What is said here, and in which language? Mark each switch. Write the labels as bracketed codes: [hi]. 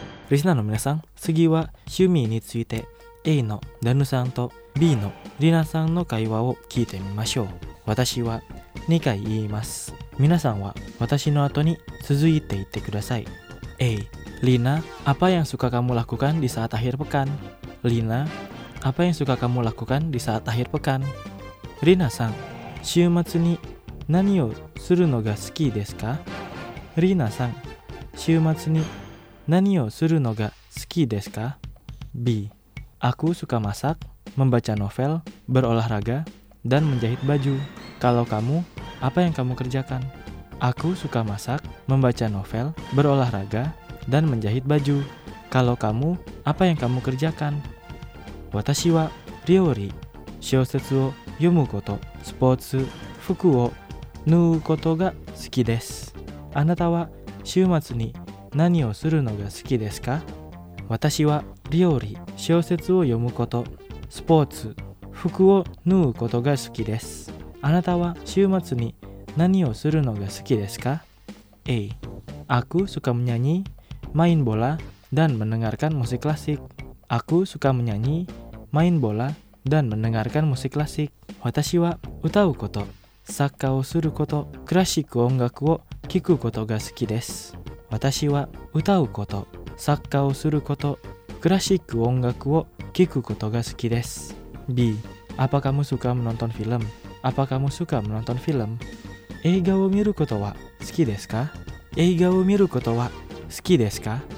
[ja] リスナーの皆さん、次は趣味について A のダヌさんと B のリナさんの会話を聞いてみましょう。私は2回言います。皆さんは私の後に続いていってください。 A. [id] Lina, apa yang suka kamu lakukan di saat akhir pekan? Lina, apa yang suka kamu lakukan di saat akhir pekan? [ja] Rina さん、週末に何をするのが好きですか？ Rina さん、週末に何をするのが好きですか? B. [id] Aku suka masak, membaca novel, berolahraga, dan menjahit baju. Kalau kamu, apa yang kamu kerjakan? Aku suka masak, membaca novel, berolahraga, dan menjahit baju. Kalau kamu, apa yang kamu kerjakan? [ja] Watashi wa ryōri, shōsetsu wo yomu koto, sportsu, fuku wo nuu koto ga suki desu. Anata wa shūmatsu ni何をするのが好きですか？私は料理、小説を読むこと、スポーツ、服を縫うことが好きです。あなたは週末に何をするのが好きですか？ A. [id] Aku suka menyanyi, main bola, dan mendengarkan musik klasik. Aku suka menyanyi, main bola, dan mendengarkan musik klasik. [ja] 私は歌うこと、サッカーをすること、クラシック音楽を聴くことが好きです。私は歌うこと、サッカーをすること、クラシック音楽を聞くことが好きです。 B. [id] Apa kamu suka menonton film? Apa kamu suka menonton film? [ja] 映画を見ることは好きですか?映画を見ることは好きですか?